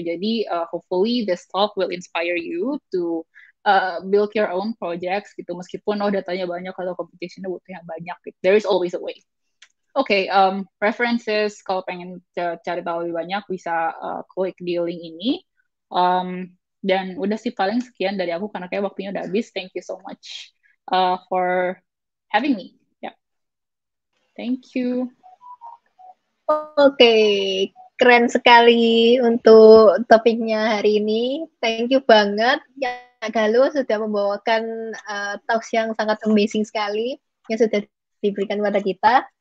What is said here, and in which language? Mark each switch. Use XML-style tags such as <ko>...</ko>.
<en>Jadi hopefully this talk will inspire you to build your own projects gitu,</en> <id>meskipun oh datanya banyak atau computationnya butuh yang banyak gitu.</id> <en>There is always a way.</en> <id>Oke, okay, references kalau pengen cari tahu lebih banyak bisa klik di link ini. Dan udah sih paling sekian dari aku karena kayak waktunya udah habis.</id> <en>Thank you so much for having me. Yeah. Thank you. Oke, okay.</en> <id>Keren sekali untuk topiknya hari ini.</id> <en>Thank you</en> <id>banget ya Galuh sudah membawakan talks yang sangat amazing sekali yang sudah diberikan kepada kita.</id>